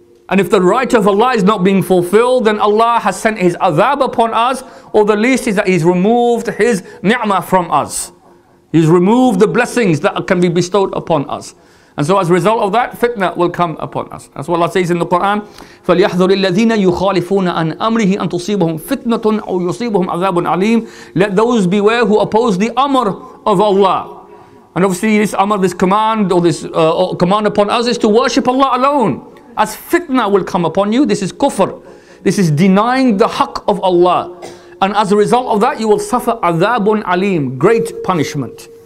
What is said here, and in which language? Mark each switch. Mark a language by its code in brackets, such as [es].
[en] And if the right of Allah is not being fulfilled, then Allah has sent His azab upon us, or the least is that He's removed His ni'mah from us. He's removed the blessings that can be bestowed upon us. And so as a result of that, fitna will come upon us. That's what Allah says in the Quran, [ar] فَلْيَحْذُرِ الَّذِينَ يُخَالِفُونَ عَنْ أَمْرِهِ أَنْ تُصِيبَهُمْ فِتْنَةٌ أَوْ يُصِيبَهُمْ عَذَابٌ عَلِيمٌ. [en] Let those beware who oppose the amr of Allah. And obviously this amr, this command, or this command upon us is to worship Allah alone. As fitna will come upon you, this is kufr. This is denying the haqq of Allah. And as a result of that, you will suffer azabun alim, great punishment.